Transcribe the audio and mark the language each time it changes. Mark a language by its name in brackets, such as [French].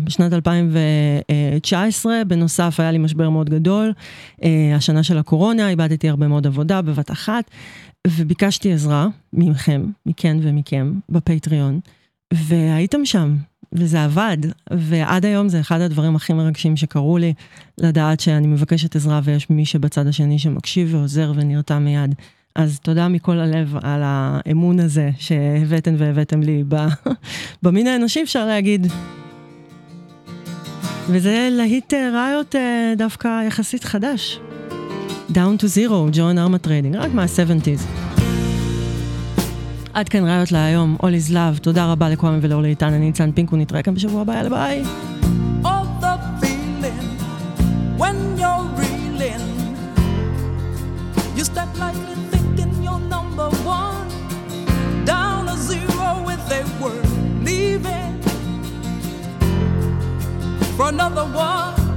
[Hebrew] בשנת 2019, בנוסף, היה לי משבר מאוד גדול, השנה של הקורונה, איבדתי הרבה מאוד עבודה בבת אחת, וביקשתי עזרה ממכם, מכן ומכם, בפייטריון, והייתם שם, וזה עבד, ועד היום זה אחד הדברים הכי מרגשים שקרו לי, לדעת שאני מבקשת עזרה ויש מי שבצד השני שמקשיב ועוזר ונרתע מיד. אז תודה מכל הלב על האמון הזה שהבאתם והבאתם לי במין האנושי, אפשר להגיד. וזה להיט ראיות דווקא יחסית חדש. Down to Zero, John Arma Trading, רק מה-70s. עד כאן ראיות להיום, All is Love, תודה רבה לכולם ולאור לאיתן, אני ניצן פינק, ונתראה כאן בשבוע הבא, יאללה ביי. [English] All the feeling when you're reeling you step like a number one down to zero with a word leaving for another one